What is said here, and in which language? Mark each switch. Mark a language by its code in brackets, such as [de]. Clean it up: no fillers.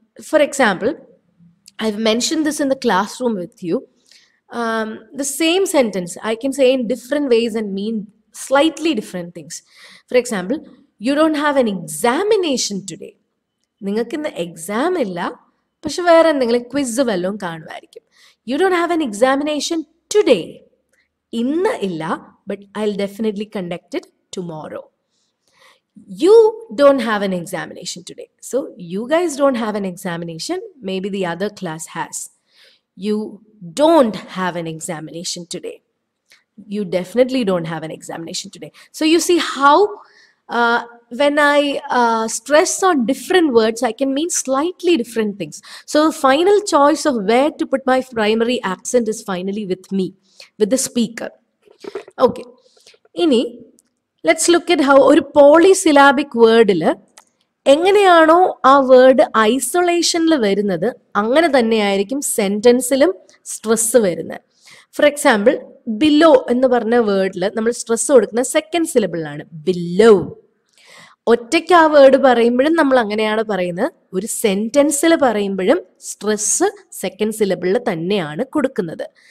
[en] For example, I have mention this in the classroom with you. The same sentence I can say in different ways and mean slightly different things. For example, you don't have an examination today. [ml] നിങ്ങൾക്ക് ഇന്ന് exam ഇല്ല, പക്ഷെ വേറെ എന്തെങ്കിലും quiz വല്ലതും കാണുമായിരിക്കും. [en] You don't have an examination today. [ml] ഇന്ന് ഇല്ല, [en] but I'll definitely conduct it tomorrow. You don't have an examination today. So you guys don't have an examination. Maybe the other class has. You don't have an examination today. You definitely don't have an examination today. So you see how when I stress on different words, I can mean slightly different things. So the final choice of where to put my primary accent is finally with me, with the speaker. Okay. Ini, let's look at how a polysyllabic word, [ml] എങ്ങനെയാണോ ആ word ഐസൊലേഷനിൽ വരുന്നത് അങ്ങനെ തന്നെയായിരിക്കും സെൻറ്റൻസിലും stress വരുന്നത്. For example ബില്ലോ എന്ന് പറഞ്ഞ വേർഡിൽ നമ്മൾ stress കൊടുക്കുന്ന സെക്കൻഡ് സിലബിളാണ് ബില്ലോ. ഒറ്റയ്ക്ക് ആ വേർഡ് പറയുമ്പോഴും നമ്മൾ അങ്ങനെയാണ് പറയുന്നത്, ഒരു സെൻറ്റൻസിൽ പറയുമ്പോഴും സ്ട്രെസ് സെക്കൻഡ് സിലബിളിൽ തന്നെയാണ് കൊടുക്കുന്നത്.